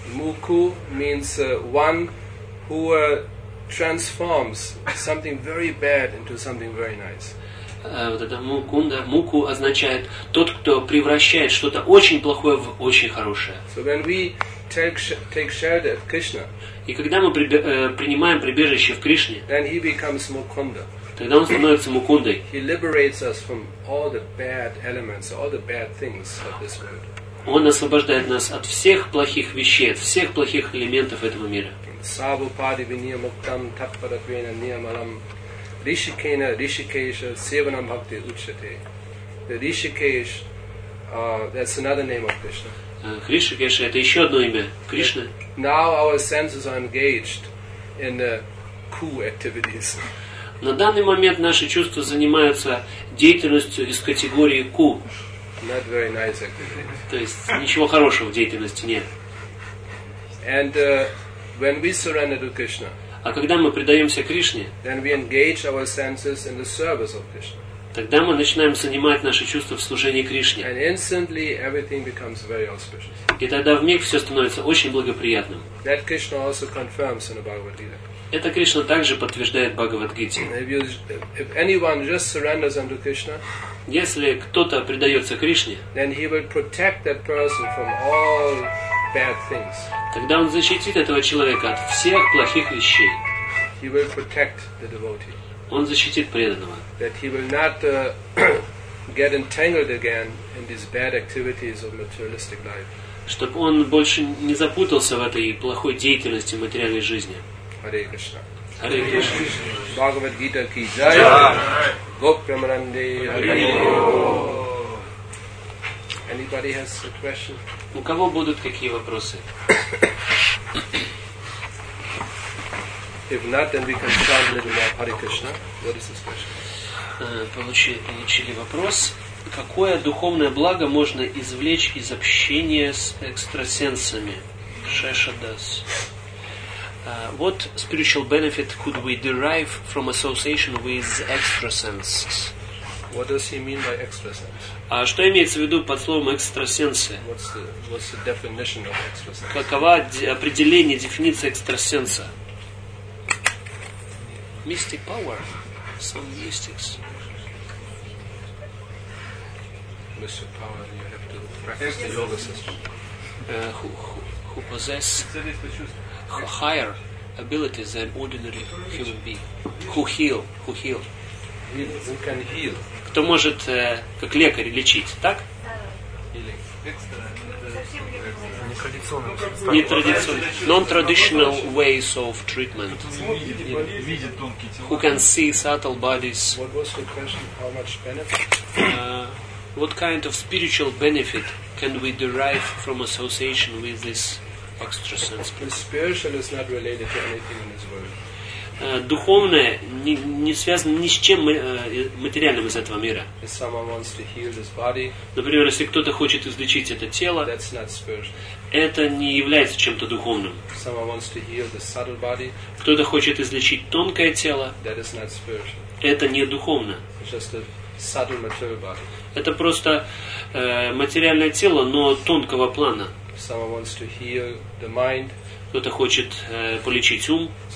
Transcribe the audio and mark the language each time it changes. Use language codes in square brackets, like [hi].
[en] Muku means one who transforms something very bad into something very nice. [ru] Вот это Mukunda, Muku означает тот, кто превращает что-то очень плохое в очень хорошее. [en] So when we take shelter at Krishna. [ru] И когда мы принимаем прибежище в Кришне. [en] Then he becomes Mukunda. [ru] Тогда он становится Mukundai. [en] He liberates us from all the bad elements, all the bad things of this world. [ru] Он освобождает нас от всех плохих вещей, от всех плохих элементов этого мира. [sa] Саву пади виньям уктам тапарадвена ниямалам ришикена ришикеша севанам бхакти учате. [en] The Rishikesh, that's another name of Krishna. [ru] Ришикеша — это еще одно имя Кришны. [en] Now our senses are engaged in the coup activities. [ru] На данный момент наши чувства занимаются деятельностью из категории ку. [en] Not very nice activity. [ru] То есть ничего хорошего в деятельности нет. [en] And when we surrender to Krishna. [ru] А когда мы предаемся Кришне, [en] then we engage our senses in the service of Krishna. [ru] Тогда мы начинаем занимать наши чувства в служении Кришне. [en] And instantly everything becomes very auspicious. [ru] И тогда вмиг все становится очень благоприятным. [en] That Krishna also confirms in the Bhagavad Gita. [ru] Это Кришна также подтверждает Бхагавад-гите. [en] If anyone just surrenders unto Krishna, [ru] если кто-то предается Кришне, [en] then he will protect that person from all bad things. [ru] Тогда он защитит этого человека от всех плохих вещей. [en] He will protect the devotee. [ru] Он защитит преданного. [en] That he will not get entangled again in these bad activities of materialistic life. [ru] Чтобы он больше не запутался в этой плохой деятельности материальной жизни. [sa] Hare Krishna. Hare Krishna. [hi] Bhagavad Gita ki jai. Gopramanande Hare. [en] Anybody has a question? [ru] У кого будут какие вопросы? [en] If not, then we can chant a little more Hare Krishna. What is this question? [ru] Получили вопрос. Какое духовное благо можно извлечь из общения с экстрасенсами? Шешадас. [en] What spiritual benefit could we derive from association with extrasenses? What does he mean by extrasense? [ru] А что имеется в виду под словом экстрасенсы? [en] What's the definition of extrasense? [ru] Какова определение, дефиниция экстрасенса? [en] Mystic power. Some mystics. Mystic power, you have to practice the yoga system. Who possess higher abilities than ordinary human being. Who heal. Who can heal. [ru] Кто может, как лекарь, лечить, так? Нетрадиционный. [en] Non-traditional ways of treatment. [ru] Видит тонкие тела. [en] Who can see subtle bodies. What was the question? How much benefit? What kind of spiritual benefit can we derive from association with this extrasense? The spiritual is not related to anything in this world. [ru] Духовное не связано ни с чем материальным из этого мира. [en] If someone wants to heal this body, [ru] например, если кто-то хочет излечить это тело, [en] that's not spiritual. [ru] Это не является чем-то духовным. [en] If someone wants to heal the subtle body, [ru] кто-то хочет излечить тонкое тело, [en] that is not spiritual. [ru] Это не духовно. [en] It's just a subtle material body. [ru] Это просто материальное тело, но тонкого плана. [en] If someone wants to heal the mind, [ru] кто-то хочет полечить ум.